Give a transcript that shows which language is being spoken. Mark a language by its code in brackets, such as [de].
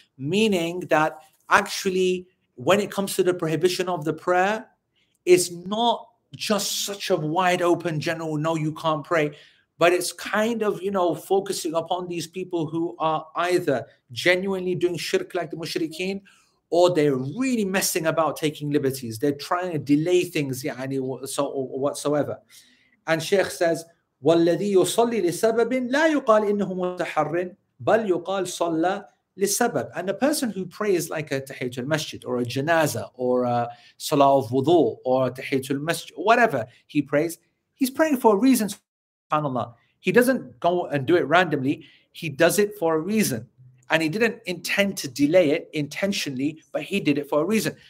[en] Meaning that actually when it comes to the prohibition of the prayer, it's not just such a wide open general, no, you can't pray. But it's kind of, you know, focusing upon these people who are either genuinely doing shirk like the mushrikeen, or they're really messing about taking liberties. They're trying to delay things, يعني, so, or whatsoever. And Sheikh says, [ar] وَالَّذِي يُصَلِّ لِسَبَبٍ لَا يُقَالْ إِنَّهُ مُتَحَرٍ بَلْ يُقَالْ صَلَّى لِسَبَبٍ. [en] And the person who prays like a Tahiyyatul Masjid or a Janaza or a Salah of Wudu or a Tahiyyatul Masjid, whatever he prays, he's praying for a reason. SubhanAllah. He doesn't go and do it randomly. He does it for a reason. And he didn't intend to delay it intentionally, but he did it for a reason.